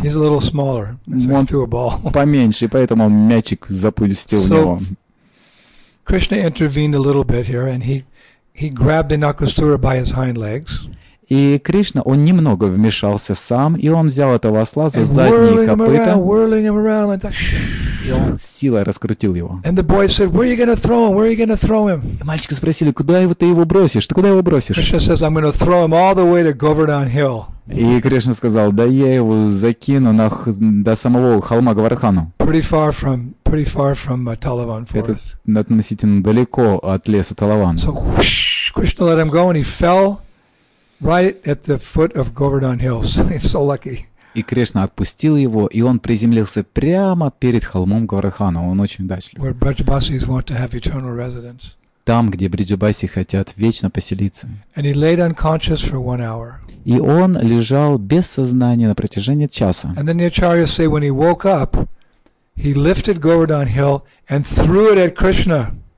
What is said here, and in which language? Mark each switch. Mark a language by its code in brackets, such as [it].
[en] He's a little smaller, so [ru] он [en] threw a ball. [ru] Поменьше, поэтому мячик запустил в него. [en] Krishna intervened a little bit here, and he grabbed Dhanakasura by his hind legs. [ru] И Кришна, он немного вмешался сам, и он взял этого осла за задние копыта. [en] Whirling him around, whirling him around like that. [ru] силой раскрутил его. [en] And the boy said, "Where are you going to throw him? Where are you going to throw him?" [ru] И мальчика спросили, куда его ты его бросишь? Ты куда его бросишь? [en] Krishna says, "I'm going to throw him all the way to Govardhan Hill." [ru] И Кришна сказал, да я его закину на до самого холма Говардхану. [en] Pretty far from Talavan Forest. [ru] Это относительно далеко от леса Талаван. [en] So Krishna let him go, and he fell right at the foot of Govardhan Hill. He's so lucky. [ru] И Кришна отпустил его, и он приземлился прямо перед холмом Говардхана. Он очень удачлив. [en] Where Brajabasis want to have eternal residence. [ru] Там, где Бриджабаси хотят вечно поселиться. [en] And he laid unconscious for one hour. [ru] И он лежал без сознания на протяжении часа. [en] And then the acharyas say, when he woke up, he lifted Govardhan Hill and threw it at Krishna.